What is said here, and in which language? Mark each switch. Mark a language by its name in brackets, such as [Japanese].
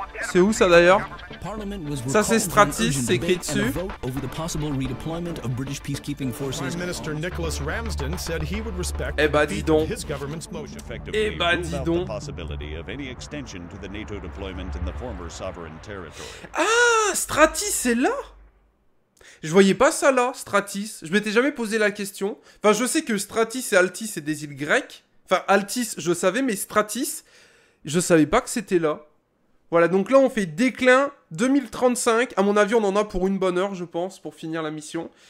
[French] C'est où ça d'ailleurs? Ça c'est Stratis, c'est écrit dessus. [English] Over the possible redeployment of British peacekeeping forces. Prime Minister Nicholas Ramsden said he would respect the veto of his government's motion. [French] Eh bah dis donc. [English] The possibility of any extension to the NATO deployment in the former sovereign territory. [French] Ah, Stratis c'est là. Je voyais pas ça là, Stratis. Je m'étais jamais posé la question. Enfin, je sais que Stratis et Altis c'est des îles grecques. Enfin, Altis, je savais, mais Stratis, je savais pas que c'était là. Voilà, donc là, on fait déclin 2035. À mon avis, on en a pour une bonne heure, je pense, pour finir la mission.